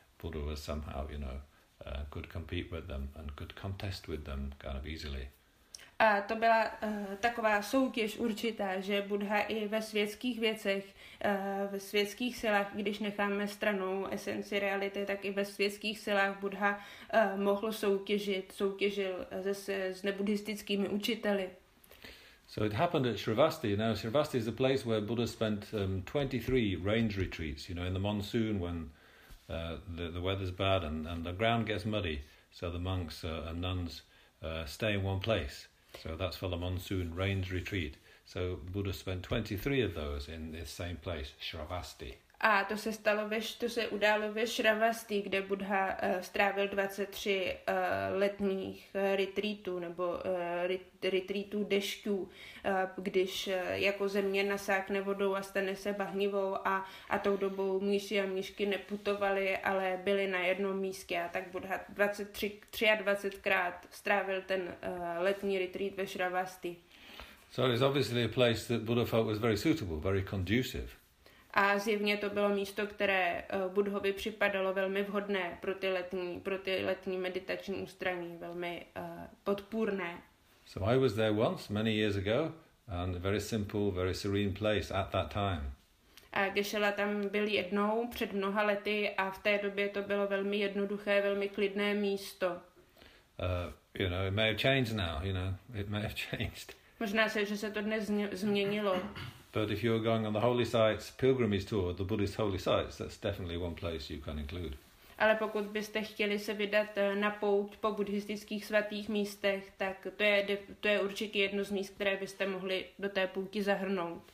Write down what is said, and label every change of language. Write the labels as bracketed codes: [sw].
[en] Buddha was somehow, could compete with them and could contest with them kind of easily. [cs] A to byla taková soutěž určitá, že Buddha i ve světských věcech, ve světských silách, když necháme stranou esenci reality, tak i ve světských silách Buddha mohl soutěžil s nebuddhistickými učiteli. [en] So it happened at Shravasti. Now Shravasti is the place where Buddha spent 23 range retreats, in the monsoon when the weather's bad and the ground gets muddy, so the monks and nuns stay in one place. So that's for the monsoon rains retreat. So Buddha spent 23 of those in this same place, Shravasti. [cs] A to se stalo událo ve Shravasti, kde Buddha strávil 23 letních retreatů nebo retreatů dešťů, když jako země nasákne vodou a stane se bahnivou a tou dobou mníši a mníšky neputovali, ale byli na jednom místě. A tak Buddha 23krát strávil ten letní retreat ve Shravasti. [en] So it's obviously a place that Buddha felt was very suitable, very conducive. [cs] A zjevně to bylo místo, které Buddhovi připadalo velmi vhodné pro ty letní meditační ústraní, velmi podpůrné. [en] So I was there once many years ago and a very simple, very serene place at that time. [cs] A Geshe-la tam byl jednou před mnoha lety a v té době to bylo velmi jednoduché, velmi klidné místo. [en] It may have changed now, it may have changed. [cs] Možná se, že se to dnes změnilo. [en] But if you're going on the holy sites pilgrimage tour, the Buddhist holy sites, that's definitely one place you can include. [cs] Ale pokud byste chtěli se vydat na pouť po buddhistických svatých místech, tak to je určitě jedno z míst, které byste mohli do té pouti zahrnout.